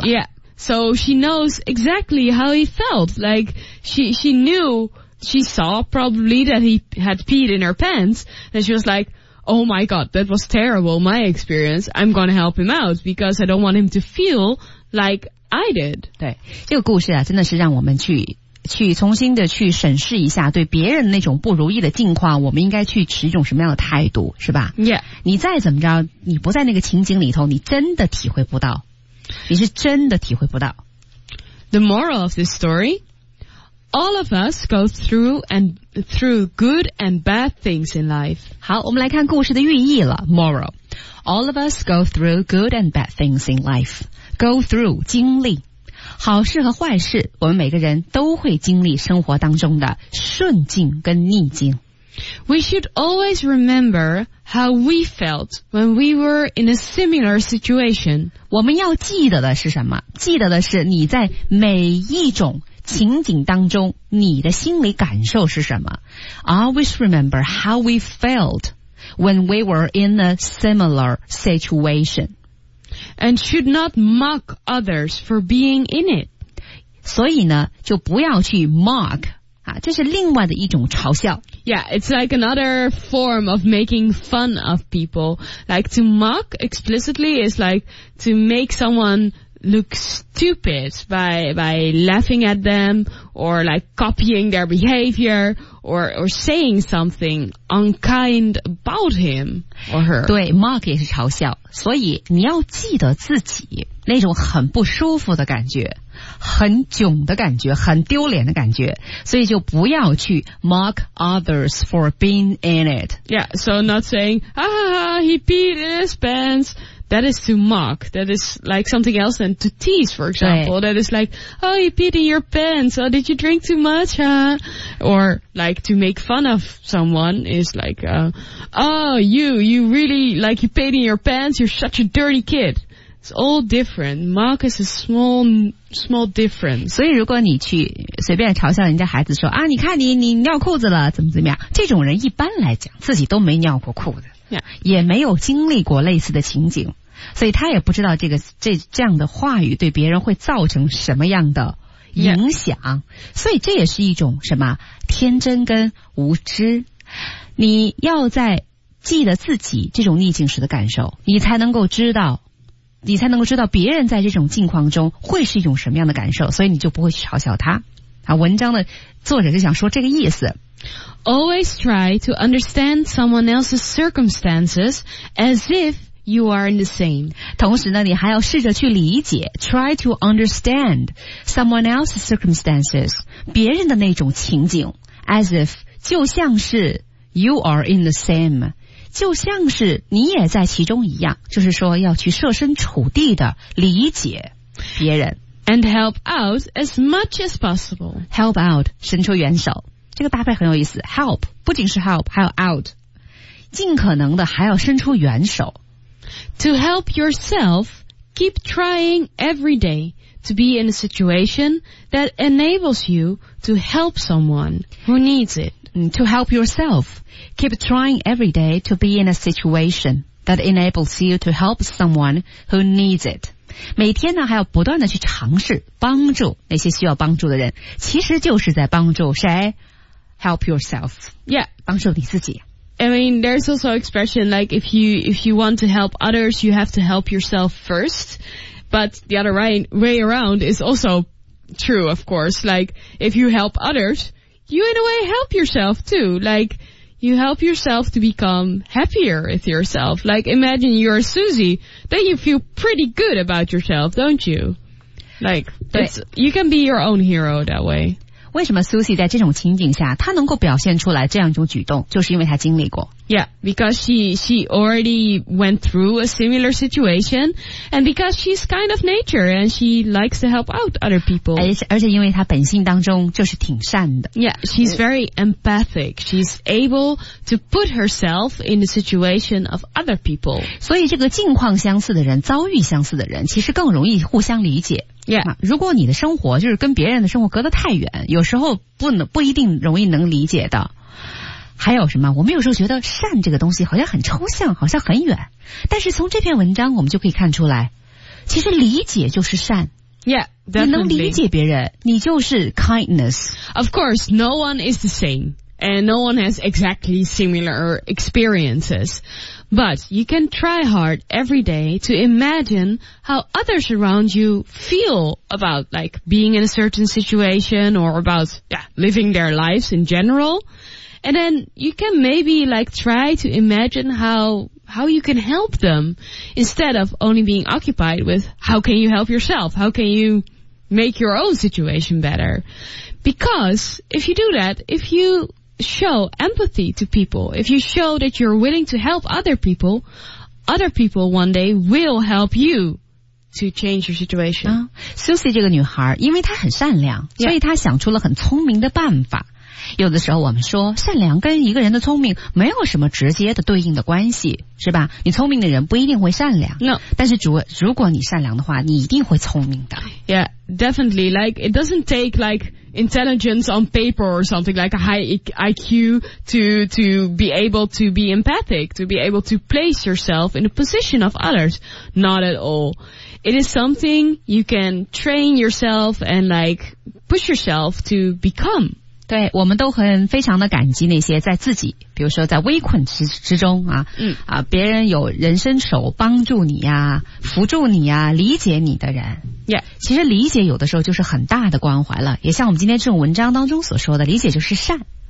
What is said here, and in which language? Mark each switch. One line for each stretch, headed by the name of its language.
English: YeahSo she knows exactly how he felt, like she knew, she saw probably that he had peed in her pants, and she was like, oh my god, that was terrible, my experience, I'm gonna help him out, because I don't want him to feel like I did.
Chinese: 对，这个故事啊，真的是让我们去重新的去审视一下对别人那种不如意的境况我们应该去持一种什么样的态度，是吧？
English: Yeah.
Chinese: 你再怎么着，你不在那个情景里头，你真的体会不到。你是真的体会不到。
English: The moral of this story, all of us go through good and bad things in life.
Chinese: 好，我们来看故事的寓意了。
English: Moral, all of us go through good and bad things in life. Go through,
Chinese: 经历。好事和坏事，我们每个人都会经历生活当中的顺境跟逆境。
English: We should always remember how we felt when we were in a similar situation.
Chinese: 我们要记得的是什么？记得的是你在每一种情景当中，你的心理感受是什么？
English: Always remember how we felt when we were in a similar situation. And should not mock others for being in it.
Chinese: 所以呢，就不要去 mock这是另外的一种嘲笑。
English: Yeah, it's like another form of making fun of people. Like to mock explicitly is like to make someone look stupid by laughing at them or like copying their behavior or saying something unkind about him or her.
Chinese: 对 ,mock 也是嘲笑。所以你要记得自己那种很不舒服的感觉很窘的感觉很丢脸的感觉。所以就不要去
English: mock others for being in it. Yeah, so not saying, he peed in his pants. That is to mock. That is like something else than to tease, for example. That is like, oh, you peed in your pants. Oh, did you drink too much, huh? Or like to make fun of someone is like, you really like you peed in your pants. You're such a dirty kid. It's all different. Mock is a small difference.
Chinese: 所以如果你去随便嘲笑人家孩子说啊，你看你尿裤子了，怎么怎么样？这种人一般来讲自己都没尿过裤子。
English: Yeah.
Chinese: 也没有经历过类似的情景，所以他也不知道这样的话语对别人会造成什么样的影响。
English: Yeah.
Chinese: 所以这也是一种什么天真跟无知。你要在记得自己这种逆境时的感受，你才能够知道别人在这种境况中会是一种什么样的感受，所以你就不会去嘲笑他。啊，文章的作者就想说这个意思。
English: Always try to understand someone else's circumstances as if you are in the same.
Chinese: 同时呢，你还要试着去理解
English: try to understand someone else's circumstances,
Chinese: 别人的那种情景
English: as if
Chinese: 就像是
English: you are in the same,
Chinese: 就像是你也在其中一样，就是说要去设身处地的理解别人
English: and help out as much as possible. Help out,
Chinese: 伸出援手。这个搭配很有意思 ,help, 不仅是 help, 还有 out, 尽可能的还要伸出援手。
English: To help yourself, keep trying every day to be in a situation that enables you to help someone who needs it. To help yourself, keep trying every day to be in a situation that enables you to help someone who needs it.
Chinese: 每天呢还要不断的去尝试帮助那些需要帮助的人，其实就是在帮助谁？
English: Help yourself. Yeah.
Chinese: 帮助你自己。
English: I mean, there's also expression like if you want to help others, you have to help yourself first. But the other way around is also true, of course. Like, if you help others, you in a way help yourself too. Like, you help yourself to become happier with yourself. Like, imagine you're Susie, then you feel pretty good about yourself, don't you? Like, that's, you can be your own hero that way.
Chinese: 为什么 Susie 在这种情景下她能够表现出来这样一种举动，就是因为她经历过。
English: Yeah, because she already went through a similar situation and because she's kind of nature and she likes to help out other people.
Chinese: 而且因为她本性当中就是挺善的。
English: Yeah, she's very empathic. She's able to put herself in the situation of other people.
Chinese: 所以这个境况相似的人，遭遇相似的人，其实更容易互相理解。
English: Yeah.
Chinese: 如果你的生活就是跟别人的生活隔得太远，有时候不一定容易能理解的。还有什么，我们有时候觉得善这个东西好像很抽象，好像很远，但是从这篇文章我们就可以看出来，其实理解就是善。
English: Yeah, definitely.
Chinese: 你能理解别人，你就是 kindness.
English: Of course, no one is the same and no one has exactly similar experiences, but you can try hard every day to imagine how others around you feel about like being in a certain situation or about living their lives in general, and then you can maybe like try to imagine how you can help them instead of only being occupied with how can you help yourself, how can you make your own situation better. Because if you do that, if you show empathy to people, if you show that you're willing to help other people one day will help you to change your situation.
Chinese: Susie 这个女孩因为她很善良、
English: yeah.
Chinese: 所以她想出了很聪明的办法。有的时候我们说善良跟一个人的聪明没有什么直接的对应的关系，是吧？你聪明的人不一定会善良。
English: No.
Chinese: 但是如果你善良的话，你一定会聪明的。
English: Yeah, definitely. Like, it doesn't take like,intelligence on paper or something like a high IQ to be able to be empathic, to be able to place yourself in the position of others. Not at all. It is something you can train yourself and like push yourself to become.
Chinese: 对，我们都很非常的感激那些在自己，比如说在危困之中啊，嗯啊，别人有人伸手帮助你呀、啊、扶助你呀、啊、理解你的人。
English: Yeah.
Chinese: 其实理解有的时候就是很大的关怀了，也像我们今天这种文章当中所说的，理解就是善。